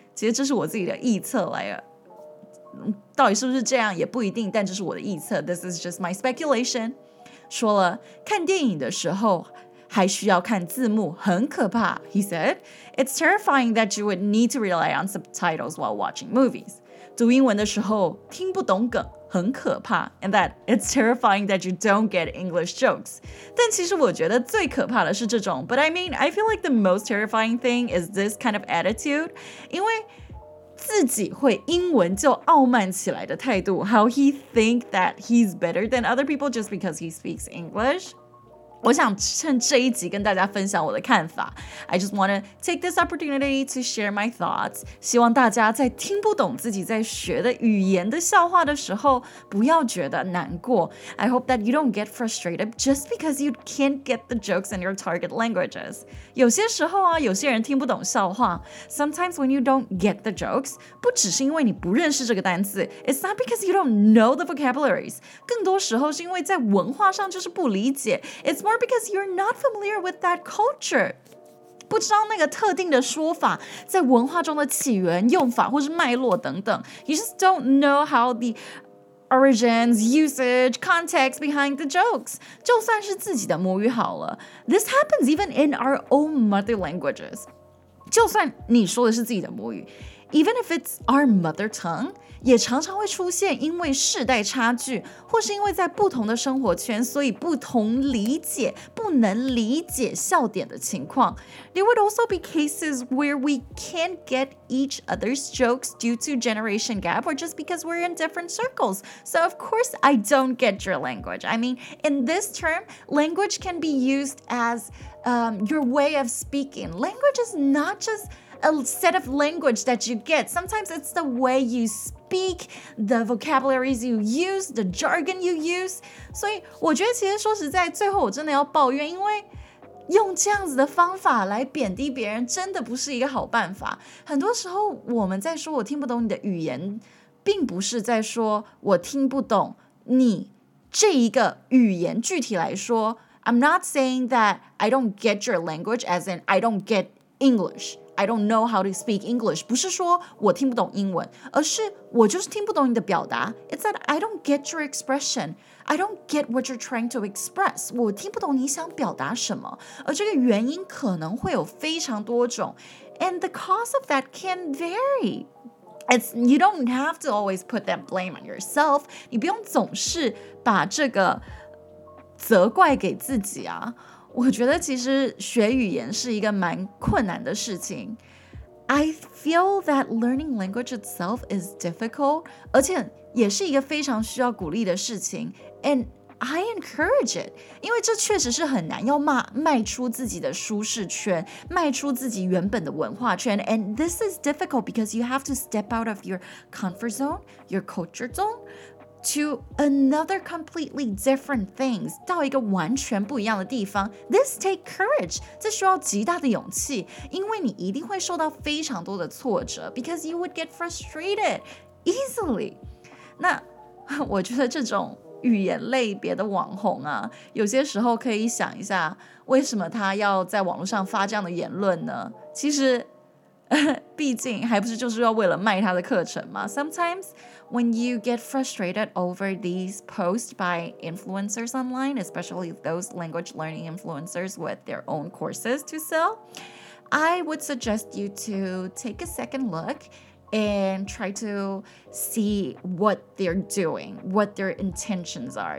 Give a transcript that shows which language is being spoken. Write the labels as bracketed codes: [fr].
[zh] 其实这是我自己的臆测来的。到底是不是这样也不一定，但这是我的臆测。 [en] This is just my speculation. [zh] 说了，看电影的时候还需要看字幕，很可怕。 [en] He said, It's terrifying that you would need to rely on subtitles while watching movies. [zh] 读英文的时候听不懂梗，很可怕。 [en] And that it's terrifying that you don't get English jokes. [zh] 但其实我觉得最可怕的是这种。 [en] But I mean, I feel like the most terrifying thing is this kind of attitude. [zh] 因为自己会英文就傲慢起来的态度， [en] How he think that he's better than other people just because he speaks English. [zh] 我想趁这一集跟大家分享我的看法。 [en] I just want to take this opportunity to share my thoughts. [zh] 希望大家在听不懂自己在学的语言的笑话的时候不要觉得难过。 [en] I hope that you don't get frustrated just because you can't get the jokes in your target languages. [zh] 有些时候啊，有些人听不懂笑话。 [en] Sometimes when you don't get the jokes, [zh] 不只是因为你不认识这个单词。 [en] It's not because you don't know the vocabularies. [zh] 更多时候是因为在文化上就是不理解。 [en] It's more because you're not familiar with that culture. [zh] 不知道那个特定的说法在文化中的起源、用法或是脉络等等。 [en] You just don't know how the origins, usage, context behind the jokes. [zh] 就算是自己的母语好了。 [en] This happens even in our own mother languages. [zh] 就算你说的是自己的母语。 [en] Even if it's our mother tongue, [zh] 也常常会出现因为世代差距或是因为在不同的生活圈所以不同理解不能理解笑点的情况。 [en] There would also be cases where we can't get each other's jokes due to generation gap or just because we're in different circles. So of course I don't get your language. I mean, in this term, language can be used as your way of speaking. Language is not justa set of language that you get. Sometimes it's the way you speak, the vocabularies you use, the jargon you use. [zh] 所以我觉得其实说实在，最后我真的要抱怨，因为用这样子的方法来贬低别人真的不是一个好办法。很多时候我们在说我听不懂你的语言，并不是在说我听不懂你这一个语言具体来说。 [en] I'm not saying that I don't get your language as in I don't get EnglishI don't know how to speak English. [zh] 不是说我听不懂英文，而是我就是听不懂你的表达。 [en] It's that I don't get your expression. I don't get what you're trying to express. [zh] 我听不懂你想表达什么。而这个原因可能会有非常多种。 [en] And the cause of that can vary. It's, you don't have to always put that blame on yourself. [zh] 你不用总是把这个责怪给自己啊。我觉得其实学语言是一个蛮困难的事情。 [en] I feel that learning language itself is difficult, [zh] 而且也是一个非常需要鼓励的事情。 [en] And I encourage it, [zh] 因为这确实是很难，要迈出自己的舒适圈，迈出自己原本的文化圈。 [en] And this is difficult because you have to step out of your comfort zone, your culture zone,to another completely different things, [zh] 到一个完全不一样的地方。 [en] This takes courage, [zh] 这需要极大的勇气，因为你一定会受到非常多的挫折， [en] because you would get frustrated easily. [zh] 那我觉得这种语言类别的网红啊，有些时候可以想一下，为什么他要在网络上发这样的言论呢？其实毕竟还不是就是要为了卖他的课程吗？ [en] Sometimes when you get frustrated over these posts by influencers online, especially those language learning influencers with their own courses to sell, I would suggest you to take a second look and try to see what they're doing, what their intentions are.